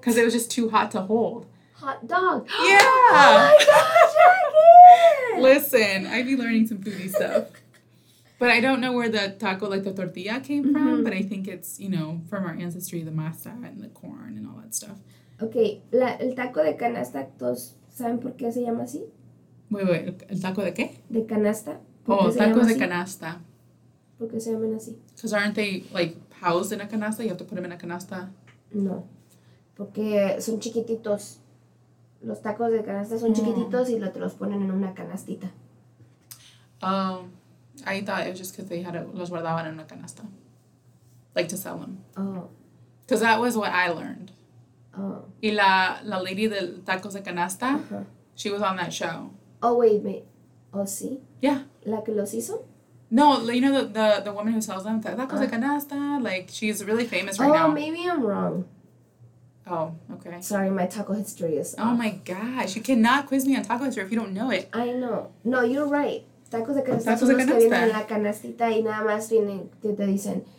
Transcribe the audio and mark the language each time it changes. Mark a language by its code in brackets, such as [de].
[en] Because it was just too hot to hold. Hot dog. Yeah. Oh my gosh, listen, I'd be learning some foodie stuff. But I don't know where the taco, like the tortilla came from, but I think it's, you know, from our ancestry, the masa and the corn and all that stuff. [es] Okay, el taco de canasta, ¿todos saben por qué se llama así? [en] Wait, [es] ¿el taco de qué? De canasta. Tacos de canasta. ¿Por qué se llaman así? [en] Because aren't they, like, housed in a canasta? You have to put them in a canasta? [es] No, porque son chiquititos. Los tacos de canasta son chiquititos y te los ponen en una canastita. [en] I thought it was just because they had [es] los guardaban en una canasta. [en] Like, to sell them. Oh. Because that was what I learned. Oh. [es] Y la lady del tacos de canasta, [en] she was on that show. Oh, wait, oh, sí? Yeah. [es] ¿La que los hizo? [en] No, you know the woman who sells them, tacos de canasta, like, she's really famous right now. Oh, maybe I'm wrong. Oh, okay. Sorry, my taco history is off. Oh, my gosh, you cannot quiz me on taco history if you don't know it. I know. No, you're right. Tacos de canasta. [es] Que vienen en la canastita y nada más vienen, te dicen...